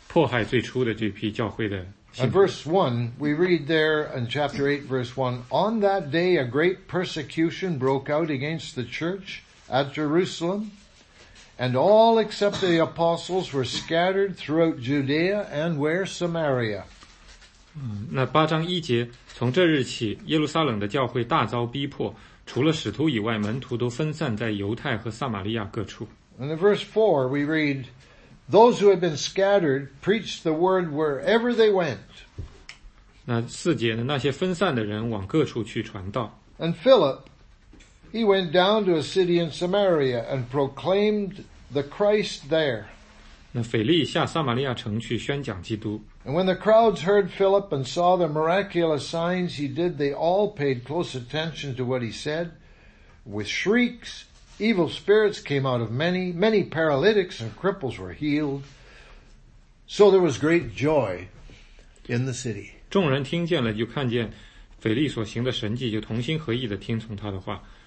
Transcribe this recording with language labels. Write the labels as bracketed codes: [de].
[zh] 但是呢，我们知道那把耶稣钉死的那批人呢，同样也会去迫害最初的这批教会的信徒。 [en] At verse 1, we read there in chapter 8, verse 1, On that day a great persecution broke out against the church at Jerusalem. And all except the apostles were scattered throughout Judea and where Samaria. [zh] 那八章一节，从这日起，耶路撒冷的教会大遭逼迫，除了使徒以外，门徒都分散在犹太和撒玛利亚各处。 [en] And in verse 4, we read, Those who had been scattered preached the word wherever they went. [zh] 那四节呢，那些分散的人往各处去传道。 [en] And Philip, he went down to a city in Samaria and proclaimed the Christ there. [zh] 那腓力下撒玛利亚城去宣讲基督。 [en] And when the crowds heard Philip and saw the miraculous signs he did, they all paid close attention to what he said. With shrieks, evil spirits came out of many. Many paralytics and cripples were healed. So there was great joy in the city. [zh] 众人听见了，就看见腓力所行的神迹，就同心合意地听从他的话。